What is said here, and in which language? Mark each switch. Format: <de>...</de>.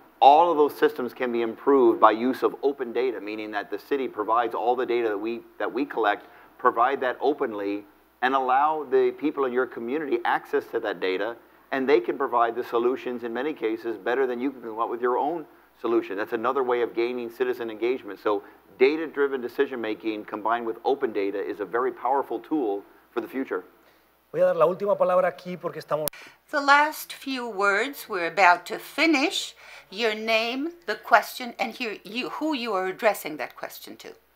<en>All of those systems can be improved by use of open data, meaning that the city provides all the data that we collect, provide that openly, and allow the people in your community access to that data, and they can provide the solutions in many cases better than you can come up with your own solution. That's another way of gaining citizen engagement. So data-driven decision-making combined with open data is a very powerful tool for the future.</en> <es>Voy a dar la última palabra aquí porque estamos...</es> <en>The last few words, we're about to finish. Your name, the question, and here you, who you are addressing that question to.</en>